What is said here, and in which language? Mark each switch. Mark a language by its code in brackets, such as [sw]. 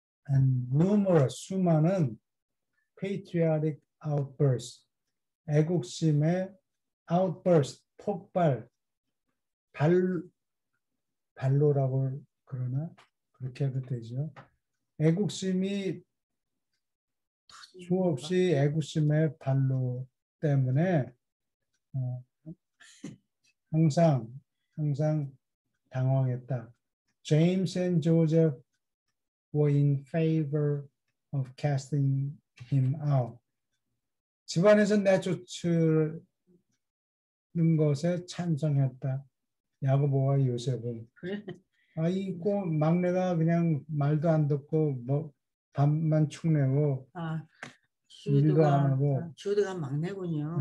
[en] And numerous [ko] 수많은 [en] patriotic outbursts, [ko] 애국심의 outburst 폭발, 발로라고 그러나 그렇게 해도 되죠. 애국심이 수없이 애국심의 발로 때문에 항상 당황했다. [en] James and Joseph were in favor of casting him out. [ko] 집안에서 내쫓는 것에 찬성했다. 야고보와 요셉은 아 이거 막내가 그냥 말도 안 듣고 뭐 밥만 축내고 일도 안 하고 주드가 막내군요.